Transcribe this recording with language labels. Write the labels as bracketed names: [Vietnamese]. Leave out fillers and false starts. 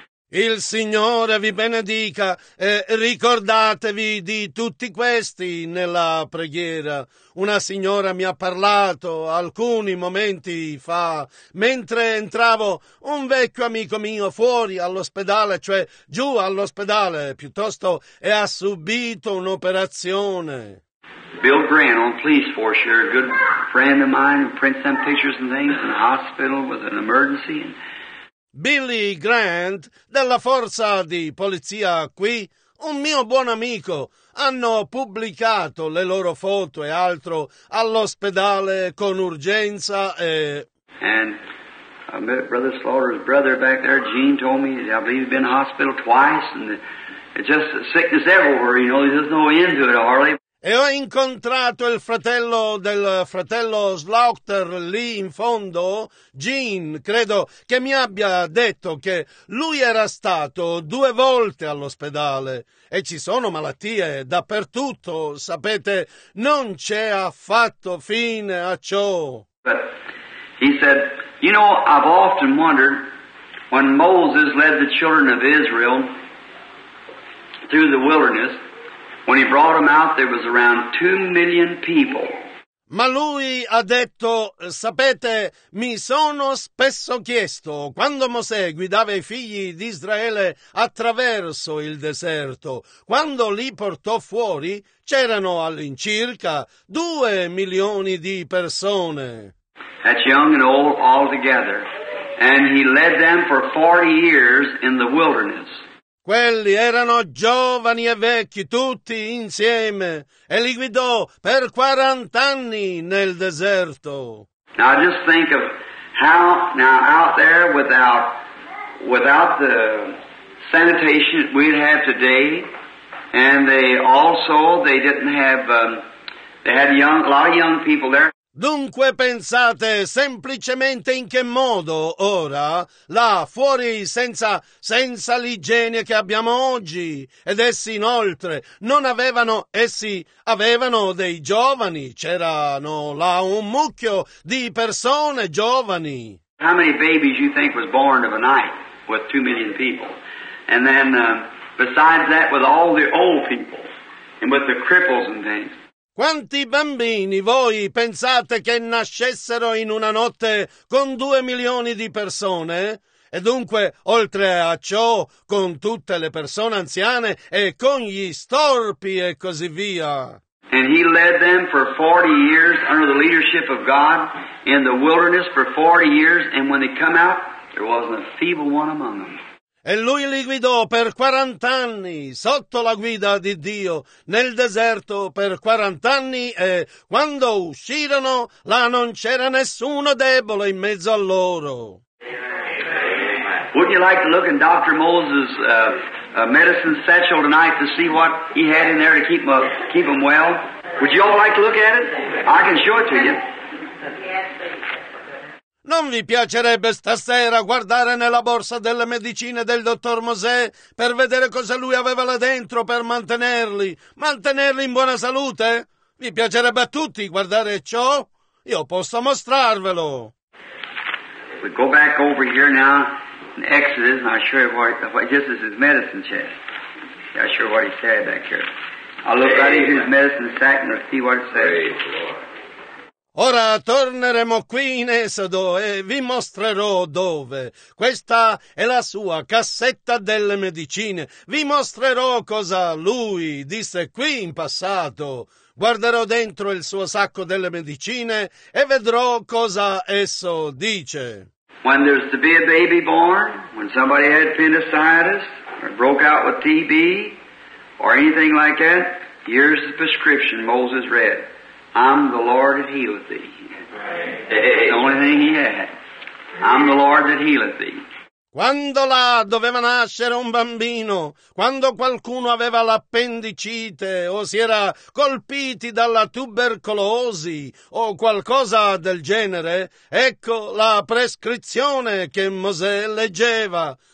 [Italian] Il Signore vi benedica e ricordatevi di tutti questi nella preghiera. Una signora mi ha parlato alcuni momenti fa, mentre entravo un vecchio amico mio fuori all'ospedale, cioè giù all'ospedale piuttosto, e ha subito un'operazione. [English] Bill Granholm, police force, you're a good friend of mine, print some pictures and things in the hospital with an emergency. [Italian] Billy Grant, della forza di polizia qui, un mio buon amico, hanno pubblicato le loro foto e altro all'ospedale con urgenza e... [English] And I met Brother Slaughter's brother back there, Gene, told me, I believe he's been in the hospital twice, and it's just sickness everywhere, you know, there's no end to it, hardly. [Italian] E ho incontrato il fratello del fratello Slaughter lì in fondo, Gene, credo che mi abbia detto che lui era stato due volte all'ospedale e ci sono malattie dappertutto, sapete, non c'è affatto fine a ciò. [English] But he said, you know, I've often wondered when Moses led the children of Israel through the wilderness. When he brought them out, there was around 2 million people. [Italian] Ma lui ha detto, sapete, mi sono spesso chiesto, quando Mosè guidava i figli di Israele attraverso il deserto, quando li portò fuori, c'erano all'incirca 2 milioni di persone. [English] That's young and old all together. And he led them for 40 years in the wilderness. [Italian] Quelli erano giovani e vecchi tutti insieme e li guidò per 40 anni nel deserto. [English] Now just think of how now out there without the sanitation we'd have today, and they had a lot of young people there. [Italian] Dunque pensate semplicemente in che modo ora, là fuori senza l'igiene che abbiamo oggi, ed essi inoltre non avevano, essi avevano dei giovani, c'erano là un mucchio di persone giovani. [English] How many babies you think was born of a night with 2 million people? And then besides that with all the old people and with the cripples and things. [Italian] Quanti bambini voi pensate che nascessero in una notte con 2 milioni di persone? E dunque, oltre a ciò, con tutte le persone anziane e con gli storpi e così via. [English] And he led them for 40 years under the leadership of God in the wilderness for 40 years, and when they come out, there wasn't a feeble one among them. [Italian] E lui li guidò per 40 anni sotto la guida di Dio nel deserto per 40 anni e quando uscirono là non c'era nessuno debole in mezzo a loro. [English] Would you like to look in Dr. Moses' medicine satchel tonight to see what he had in there to keep him well? Would you all like to look at it? I can show it to you. [Italian] Non vi piacerebbe stasera guardare nella borsa delle medicine del dottor Mosè per vedere cosa lui aveva là dentro per mantenerli in buona salute? Vi piacerebbe a tutti guardare ciò? Io posso mostrarvelo. [English] We go back over here now in Exodus, and I'll show you what just is his medicine chest. I'll show you what he said back here. I'll look right into his medicine sack and see what it says. [Italian] Ora torneremo qui in Esodo e vi mostrerò dove. Questa è la sua cassetta delle medicine. Vi mostrerò cosa lui disse qui in passato. Guarderò dentro il suo sacco delle medicine e vedrò cosa esso dice. [English] When there's to be a baby born, when somebody had appendicitis, or broke out with TB, or anything like that, here's the prescription Moses read. I'm the Lord that healeth thee. That's the only thing he had. I'm the Lord that healeth thee. [Italian] Quando là doveva nascere un bambino, quando qualcuno aveva l'appendicite o si era colpiti dalla tubercolosi o qualcosa del genere, ecco la prescrizione che Mosè leggeva.